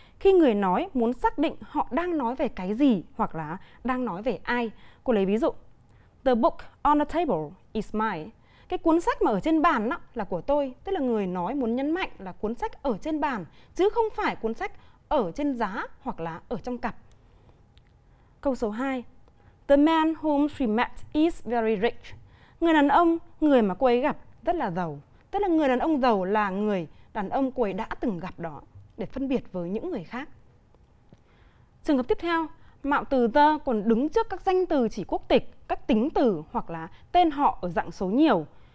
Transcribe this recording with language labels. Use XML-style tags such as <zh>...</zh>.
<vi>Khi người nói muốn xác định họ đang nói về cái gì hoặc là đang nói về ai. Cô lấy ví dụ,</vi> <en>the book on the table is mine.</en> <vi>Cái cuốn sách mà ở trên bàn đó là của tôi. Tức là người nói muốn nhấn mạnh là cuốn sách ở trên bàn, chứ không phải cuốn sách ở trên giá hoặc là ở trong cặp. Câu số 2,</vi> <en>the man whom she met is very rich.</en> <vi>Người đàn ông, người mà cô ấy gặp rất là giàu. Tức là người đàn ông giàu là người đàn ông cô ấy đã từng gặp đó, để phân biệt với những người khác. Trường hợp tiếp theo, mạo từ the còn đứng trước các danh từ chỉ quốc tịch, các tính từ hoặc là tên họ ở dạng số nhiều.</vi>